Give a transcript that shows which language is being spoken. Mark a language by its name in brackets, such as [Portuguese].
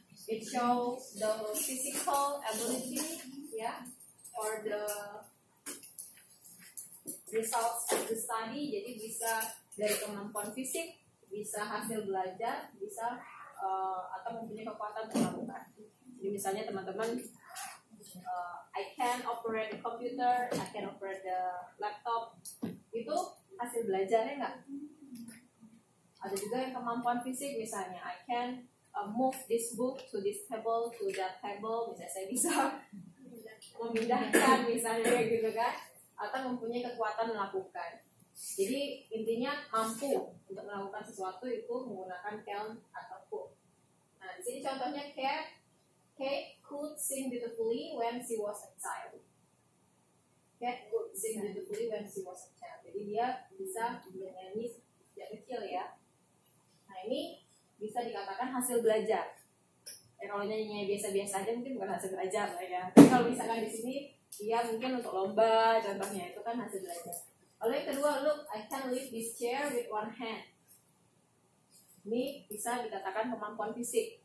[English] It shows the physical ability, yeah, or the results of the study. [Indonesian] Jadi bisa dari kemampuan fisik, bisa hasil belajar, bisa atau mempunyai kekuatan melakukan. Jadi misalnya teman-teman, [English] I can operate the computer, I can operate the laptop, [Indonesian] itu hasil belajarnya enggak? Ada juga yang kemampuan fisik, misalnya [English] I can move this book to this table, to that table, [Indonesian] misalnya saya bisa memindahkan misalnya gitu kan, atau mempunyai kekuatan melakukan. Jadi intinya mampu untuk melakukan sesuatu itu menggunakan can atau could. Nah, di sini contohnya [English] Kate could sing beautifully when she was a child. Kate could sing beautifully when she was a child. [Indonesian] Jadi dia bisa bernyanyi sejak kecil ya. Nah, ini bisa dikatakan hasil belajar. Ya, kalau nyanyinya biasa-biasa aja mungkin bukan hasil belajar lah ya. Tapi kalau misalkan di sini dia mungkin untuk lomba contohnya itu kan hasil belajar. Lalu yang kedua, [English] look, I can lift this chair with one hand. [Indonesian] Ini bisa dikatakan kemampuan fisik.